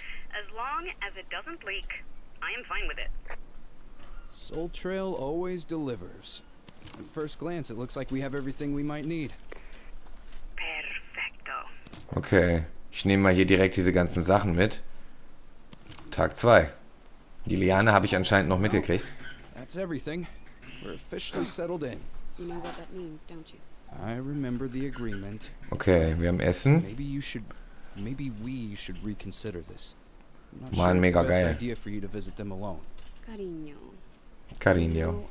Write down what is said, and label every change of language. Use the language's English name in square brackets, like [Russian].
[English] As long as it doesn't leak, I am fine with it. Soul Trail always delivers. At first glance, it looks like we have everything we might need. [Spanish] Perfecto. [German] Okay, ich nehme mal hier direkt diese ganzen Sachen mit. Tag 2. Die Liane habe ich anscheinend noch mitgekriegt. [English] That's everything. We're officially settled in. You know what that means, don't you? I remember the agreement. [German] Okay, wir haben Essen. [English] Maybe we should reconsider this. [German] Mann, mega geil. [English] Idea for you to visit them alone. [Spanish] Cariño. Cariño.